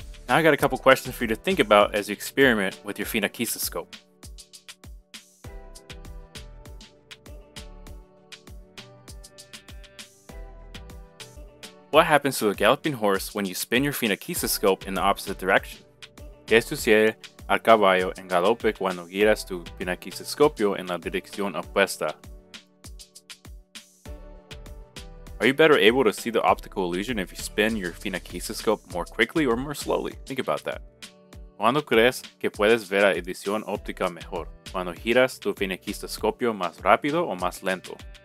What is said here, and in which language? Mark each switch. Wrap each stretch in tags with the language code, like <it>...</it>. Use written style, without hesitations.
<en>Now I got a couple questions for you to think about as you experiment with your Phenakistiscope. What happens to a galloping horse when you spin your Phenakistiscope in the opposite direction?</en> <es>¿Qué sucede al caballo en galope cuando giras tu Phenakistiscopio en la dirección opuesta?</es> <en>Are you better able to see the optical illusion if you spin your Phenakistiscope more quickly or more slowly? Think about that.</en> <es>¿Cuándo crees que puedes ver la ilusión óptica mejor? ¿Cuando giras tu Phenakistiscopio más rápido o más lento?</es>